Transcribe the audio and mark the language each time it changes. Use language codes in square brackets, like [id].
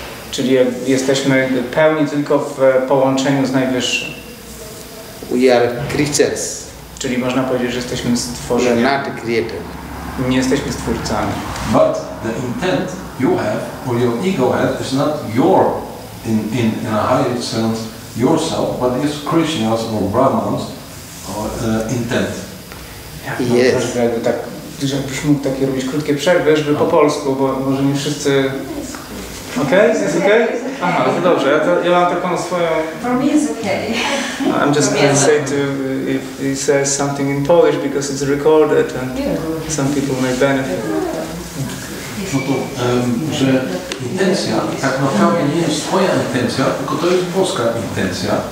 [pl] Czyli jesteśmy pełni tylko w połączeniu z najwyższym. [en] We are creatures. [pl] Czyli można powiedzieć, że jesteśmy stworzeniem. [en] We are not created. [pl] Nie jesteśmy stwórcami. [en] But the intent you have, or your ego has, is not your, in a higher sense, yourself, but is Krishna's or Brahma's intent. Yes. [pl] Jakbyś mógł takie robić krótkie przerwy, żeby po polsku, bo może nie wszyscy... [en] Okay, is this okay? [pl] Aha, to dobrze, ja mam taką swoją... [en] For me it's okay. I'm just going to say to if he says something in Polish, because it's recorded and some people may benefit. [pl] No to, że intencja tak naprawdę nie jest twoja intencja, tylko to jest boska intencja.